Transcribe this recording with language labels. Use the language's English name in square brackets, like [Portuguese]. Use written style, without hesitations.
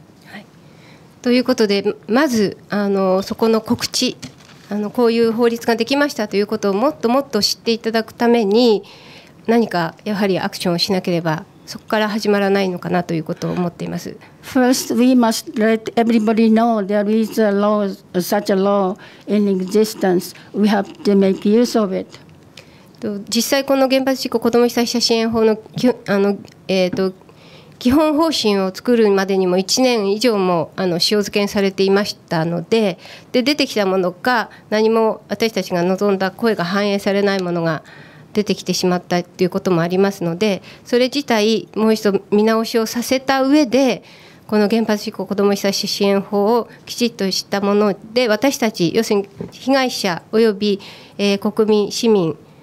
[Japanese] はい、ということで、まずそこの告知、こういう法律ができましたということをもっともっと知っていただくために、何かやはりアクションをしなければ、そこから始まらないのかなということを思っています。 [English] First, we must let everybody know there is a law, such a law in existence. We have to make use of it. [Japanese] 実際この原発事故子ども被災者支援法 の, 基本方針を作るまでにも1年以上も塩漬けにされていましたの で出てきたものか何も私たちが望んだ声が反映されないものが出てきてしまったということもありますので、それ自体もう一度見直しをさせた上で、この原発事故子ども被災者支援法をきちっとしたもので、私たち要するに被害者および、国民市民、